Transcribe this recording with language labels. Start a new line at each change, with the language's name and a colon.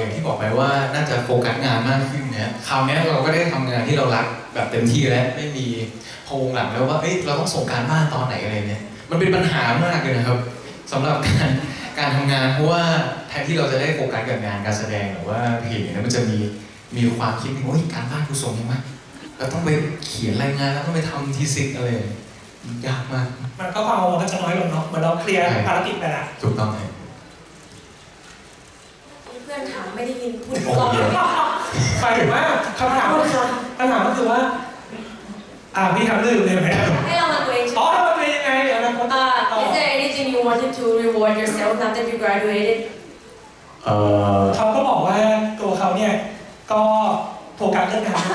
Thai: ย่างที่บอกไปว่าน่าจะโฟกัสงานมากขึ้นเนี่ยคราวนี้เราก็ได้ทำงานที่เรารักแบบเต็มที่แล้วไม่มีโครงหลังแล้วว่าเฮ้ยเราต้องส่งการบ้านตอนไหนอะไรเนี่ยมันเป็นปัญหามากเลยนะครับสำหรับการทำงานเพราะว่าแทนที่เราจะได้โฟกัสกับงานการแสดงหรือว่าเพลงเนี่ยมันจะมีความคิดโอ้ยการบ้านกูส่งยังไงแล้วต้องไปเขียนรายงานแล้วต้องไปทำทีสิทธ์อะไรยากมาก มันก็ความกังวลก็จะน้อยลงเนาะเหมือนเราเคลียร์ภารกิจไปแล้ ว ถูกต้องครับ เพื่อนถามไม่ได้ยินพูด ก่อนไปถึงว่าคำถามคำถามก็คือว่าพี่ทำเรื่องอะไรไหม ให้เรา ทำตัวเอง อ๋อทำตัวเองยังไงแล้วก็
English: Is there anything you wanted to reward yourself now that you graduated เ
Thai: ขาก็บอกว่าตัวเขาเนี่ยก็โฟกัสเรื่องงาน